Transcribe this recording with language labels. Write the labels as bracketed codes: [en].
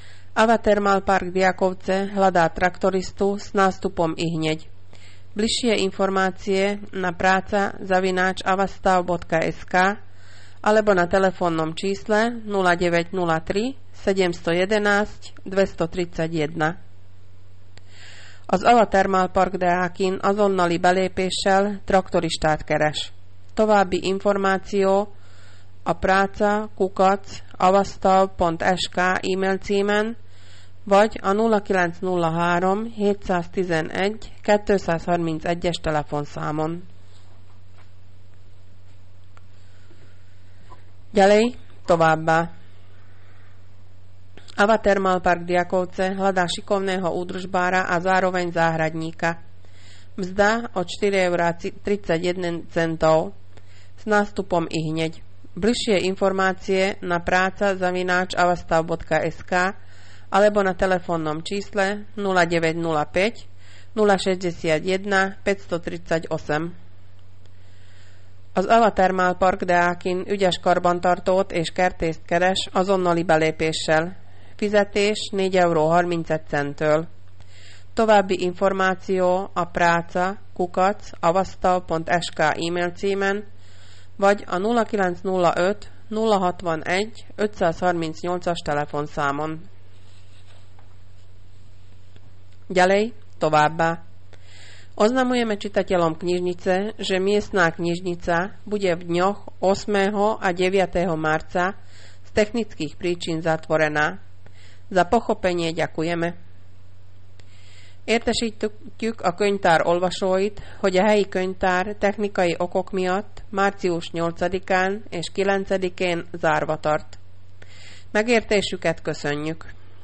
[sk] Ava Thermal Park Diakovce hľadá traktoristu s nástupom ihneď. Bližšie informácie na praca@avastav.sk alebo na telefónnom čísle 0903 711 231. [hu] Az Ava Thermal Park Deákin azonnali belépéssel traktoristát keres. További információ a praca@avastav.sk e-mail címen vagy a 0903 711 231-es telefonszámon. [sk] Ďalej, [hu] továbbá. [sk] Avater mal park Diakovce, hľadá šikovného údržbára a zároveň záhradníka. Mzda od 4,31 €, s nástupom i hneď. Bližšie informácie na praca@avastav.sk alebo na telefónnom čísle 0905 061 538. [hu] Az Avatermál Park Deákin ügyes karbantartót és kertészt keres azonnali belépéssel. Fizetés 4,31 €. További információ a praca@avastav.sk e-mail címen vagy a 0905 061 538-as telefonszámon. [sk] Ďalej, [hu] továbbá. [sk] Oznamujeme čitateľom knižnice, že miestná knižnica bude v dňoch 8. a 9. marca z technických príčin zatvorená. Za pochopenie ďakujeme. [hu] Értesítjük a könyvtár olvasóit, hogy a helyi könyvtár technikai okok miatt március 8-án és 9-én zárva tart. Megértésüket köszönjük.